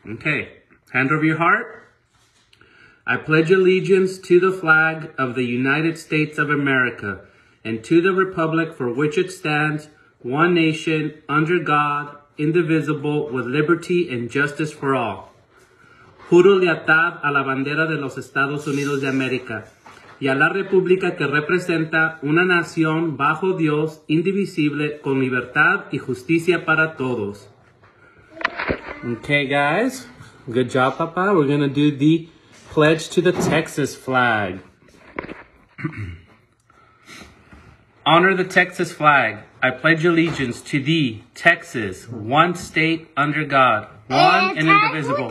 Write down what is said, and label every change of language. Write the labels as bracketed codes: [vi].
[en] Okay, hand over your heart. I pledge allegiance to the flag of the United States of America and to the republic for which it stands, one nation, under God, indivisible, with liberty and justice for all. [es] Juro lealtad a la bandera de los Estados Unidos de América y a la república que representa una nación bajo Dios, indivisible, con libertad y justicia para todos. [en] Okay, guys. Good job, Papa. We're going to do the pledge to the Texas flag. Honor the Texas flag. I pledge allegiance to thee, Texas, one state under God, one and indivisible.